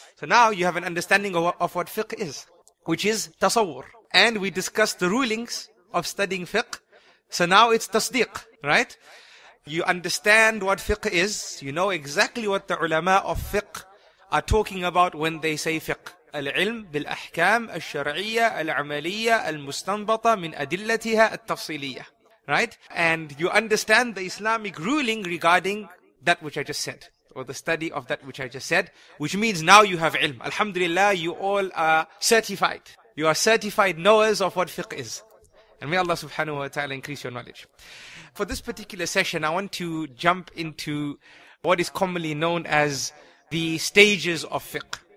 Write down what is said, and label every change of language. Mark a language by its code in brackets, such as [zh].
[en] So now you have an understanding of what fiqh is, which is tasawwur. And we discussed the rulings of studying fiqh. So now it's tasdiq, right? You understand what fiqh is. You know exactly what the ulama of fiqh are talking about when they say fiqh. [ar] العلم بالأحكام الشرعية العملية المستنبطة من أدلتها التفصيلية. [en] Right? And you understand the Islamic ruling regarding that which I just said, or the study of that which I just said, which means now you have ilm. Alhamdulillah, you all are certified. You are certified knowers of what fiqh is. And may Allah subhanahu wa ta'ala increase your knowledge. For this particular session, I want to jump into what is commonly known as the stages of fiqh.